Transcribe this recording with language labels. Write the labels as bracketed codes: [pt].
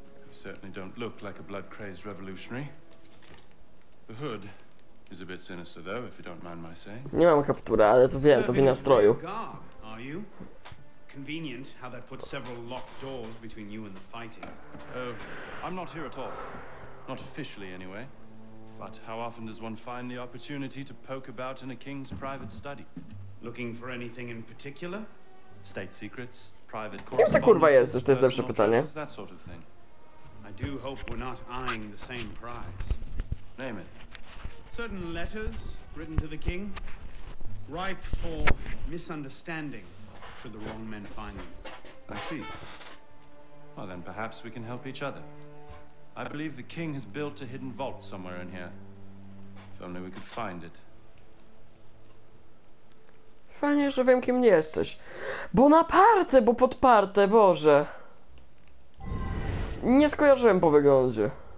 [en] Certainly don't look like a blood-crazed revolutionary. The hood is a bit sinister, though, if you don't mind my saying. [pl] Nie mam kaptura, ale to wiem, to w nastroju. [en] Are you? Convenient how that puts several locked doors between you and the fighting. Oh, I'm not here at all. Not officially, anyway. But how often does one find the opportunity to poke about in a king's private study? Looking for anything in particular? State secrets, private correspondence, personal treasures, that sort of thing. I do hope we're not eyeing the same prize. Name it. Certain letters written to the king, ripe for misunderstanding, should the wrong men find them. I see. Well, then perhaps we can help each other. I believe the king has built a hidden vault somewhere in here. If only we could find it. [pl] Fajnie, że wiem, kim nie jesteś. Bo na partę, bo pod partę, Boże. Nie skojarzyłem po wyglądzie.